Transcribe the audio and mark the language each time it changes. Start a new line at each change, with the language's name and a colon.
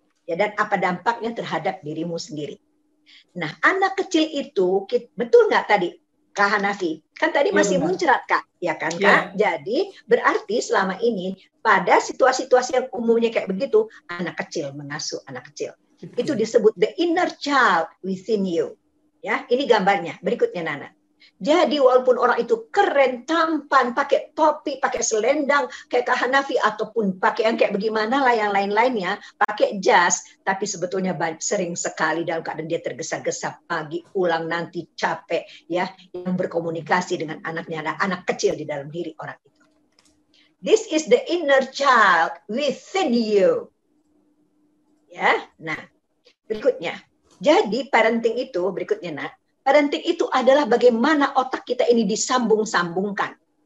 Indonesian: Ya dan apa dampaknya terhadap dirimu sendiri? Nah, anak kecil itu betul nggak tadi? Kak Hanafi, kan tadi masih muncrat Kak, ya kan Kak? Yeah. Jadi berarti selama ini pada situasi-situasi yang umumnya kayak begitu, anak kecil mengasuh anak kecil. Itu disebut
English: the inner child within you.
Indonesian: Ya, ini gambarnya, berikutnya Nana. Jadi walaupun orang itu keren, tampan, pakai topi, pakai selendang, kayak Kak Hanafi, ataupun pakai yang kayak bagaimanalah yang lain-lainnya, pakai jas, tapi sebetulnya sering sekali dalam keadaan dia tergesa-gesa, pagi, ulang, nanti, capek, ya, yang berkomunikasi dengan anaknya, anak kecil di dalam diri orang itu.
English: This is the inner child within you.
Indonesian: Ya, nah, berikutnya. Jadi parenting itu, berikutnya, nak, parenting itu adalah bagaimana otak kita ini disambung-sambungkan.